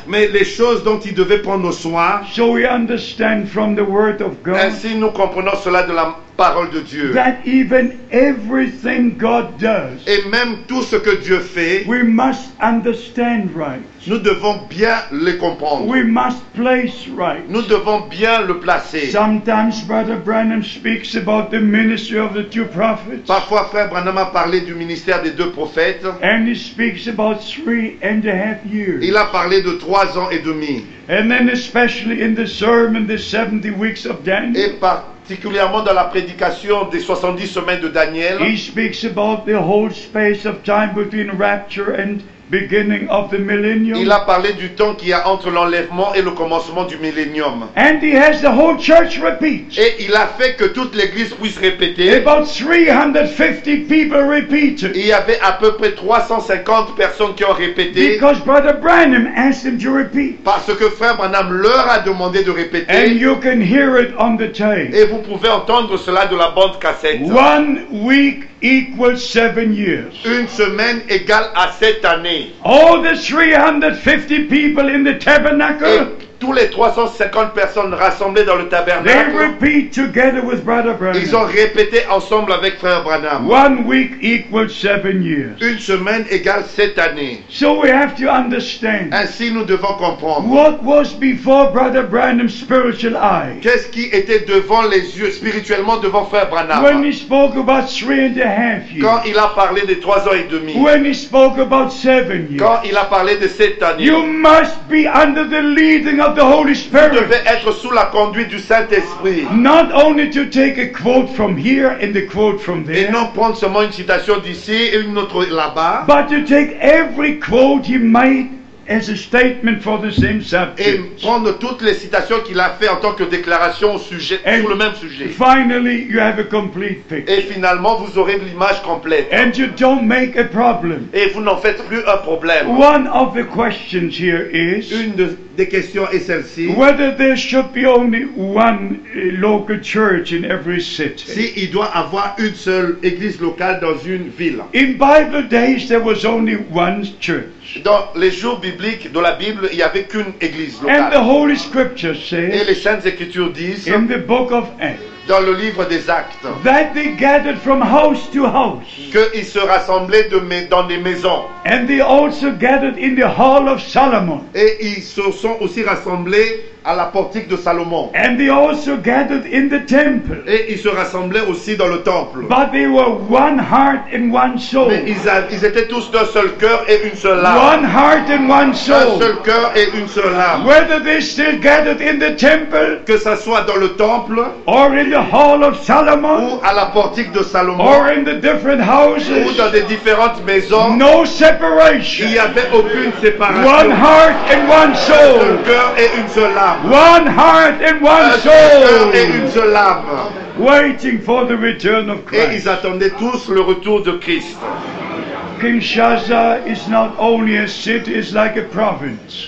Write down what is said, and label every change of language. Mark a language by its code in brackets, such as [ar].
[fr] Mais les choses dont il devait prendre soin. [en] So we understand from the word of God. [fr] Ainsi nous comprenons cela de la parole de Dieu. [en] That even everything God does, [fr] et même tout ce que Dieu fait, [en] we must understand right. [fr] Nous devons bien les comprendre. [en] We must place right. [fr] Nous devons bien le placer. [en] Sometimes Brother Branham speaks about the ministry of the two prophets. [fr] Parfois Frère Branham a parlé du ministère des deux prophètes. [en] And he speaks about 3.5 years. [fr] Il a parlé de 3 ans et demi. [en] And then especially in the sermon, the 70 weeks of Daniel. [fr] Et particulièrement dans la prédication des 70 semaines de Daniel. [en] He speaks about the whole space of time between rapture and beginning of the millennium. [fr] Il a parlé du temps qu'il y a entre l'enlèvement et le commencement du millénium. [en] And he has the whole church repeat. [fr] Et il a fait que toute l'église puisse répéter. [en] About 350 people repeated. [fr] Il y avait à peu près 350 personnes qui ont répété. [en] Because Brother Branham asked them to repeat. [fr] Parce que Frère Branham leur a demandé de répéter. [en] And you can hear it on the tape. [fr] Et vous pouvez entendre cela de la bande cassette. [en] 1 week equals 7 years. [fr] Une semaine égale à 7 années. [en] All the 350 people in the tabernacle. [fr] Et tous les 350 personnes rassemblées dans le tabernacle. [en] They repeat together with Brother Branham. [fr] Ils ont répété ensemble avec Frère Branham. [en] 1 week equals 7 years. [fr] Une semaine égale 7 années. [en] So we have to understand. [fr] Ainsi nous devons comprendre. [en] What was before Brother Branham's spiritual eye? [fr] Qu'est-ce qui était devant les yeux spirituellement devant Frère Branham? [en] When he spoke about 3.5 years. [fr] Quand il a parlé des 3 ans et demi. [en] When he spoke about 7 years. [fr] Quand il a parlé de 7 années. [en] You must be under the leading of the Holy Spirit. [fr] Vous devez être sous la conduite du Saint-Esprit. [en] Not only to take a quote from here and a quote from there. [fr] Et non prendre seulement une citation d'ici et une autre là-bas. [en] But to take every quote he might as a statement for the same subject. [fr] Et prendre toutes les citations qu'il a fait en tant que déclaration au sujet [en] and [fr] sur le même sujet. [en] Finally, you have a complete picture. [fr] Et finalement, vous aurez l'image complète. [en] And you don't make a problem. [fr] Et vous n'en faites plus un problème. [en] One of the questions here is. [fr] Une de des questions est celle-ci. [en] Whether there should be only one local church in every city. [fr] Si il doit avoir une seule église locale dans une ville. [en] In Bible days, there was only one church. [fr] Dans les jours bibliques de la Bible, il n'y avait qu'une église locale. [en] And the Holy Scripture says, [fr] et les Saintes Écritures disent, [en] in the book of Acts, [fr] dans le livre des Actes, [en] that they gathered from house to house, [fr] qu'ils se rassemblaient dans des maisons, [en] and they also gathered in the hall of Solomon, [fr] et ils se sont aussi rassemblés à la portique de Salomon. [en] And they also gathered in the temple. [fr] Et ils se rassemblaient aussi dans le temple. [en] But they were one heart and one soul. [fr] Mais ils étaient tous d'un seul cœur et une seule âme. [en] One heart and one soul. [fr] Un seul cœur et une seule âme. [en] Whether they still gathered in the temple, [fr] que ça soit dans le temple, [en] or in the hall of Solomon, [fr] ou à la portique de Salomon, [en] or in the different houses, [fr] ou dans des différentes maisons, [en] no separation. [fr] Il n'y avait aucune séparation. [en] One heart and one soul. [fr] Un seul cœur et une seule âme. [en] One heart and one soul. [fr] Un seul cœur et une seule âme. [en] Waiting for the return of Christ. [fr] Et ils attendaient tous le retour de Christ. [en] Kinshasa is not only a city, it's like a province.